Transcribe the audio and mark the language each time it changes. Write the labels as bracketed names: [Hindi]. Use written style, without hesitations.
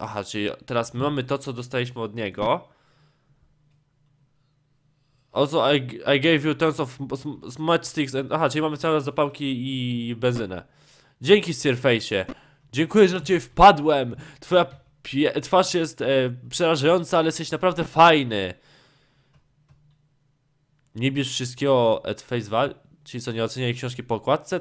[Polish] Aha, czyli teraz my mamy to, co dostaliśmy od niego. [English] Also, I gave you tons of matchsticks and... [Polish] Aha, czyli mamy całe zapałki i benzynę. Dzięki, Sir Face'ie. Dziękuję, że na ciebie wpadłem. Twoja twarz jest przerażająca, ale jesteś naprawdę fajny. Nie bierz wszystkiego [English] at face value. [Polish] Czyli co, nie oceniaj książki po okładce?